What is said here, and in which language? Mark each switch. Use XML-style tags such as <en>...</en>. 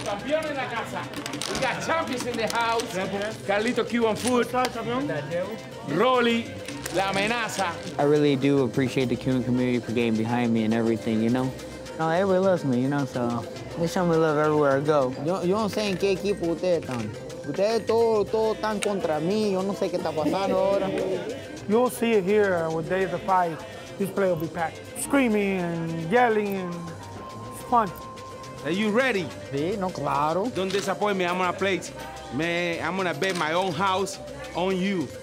<en>We got champions in the house. Got a little Cuban food.</en> <es>ROLLY, la amenaza.</es> <en>I really do appreciate the Cuban community for getting behind me and everything, you know? No, everybody loves me, you know, so they show me love everywhere I go.</en> <es>Yo no sé en qué equipo ustedes están. Ustedes todos están contra mí. Yo no sé qué está pasando ahora.</es> <en>You'll see it here with day of the fight. This play will be packed. Screaming and yelling and it's fun. Are you ready?</en> <es>Sí, no, claro.</es> <en>Don't disappoint me, I'm gonna play. Man, I'm gonna bet my own house on you.</en>